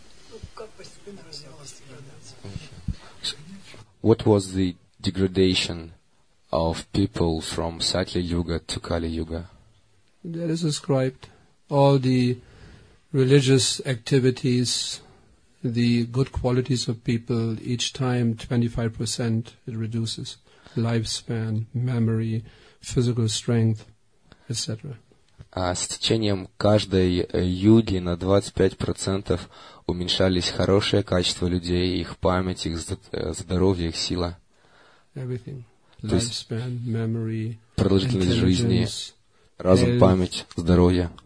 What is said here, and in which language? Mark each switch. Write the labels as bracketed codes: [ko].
[ru] Ну, как постепенно развивалась деградация? [en] What was the degradation of people from Satya-yuga to Kali-yuga? That is described. All the religious activities, the good qualities of people, each time 25% it reduces. Lifespan, memory, physical strength, etc. [ru] С течением каждой юги на 25% уменьшались хорошие качества людей, их память, их здоровье, их сила. [en] Everything. Lifespan, memory, [ru] продолжительность жизни, разум, память, здоровье.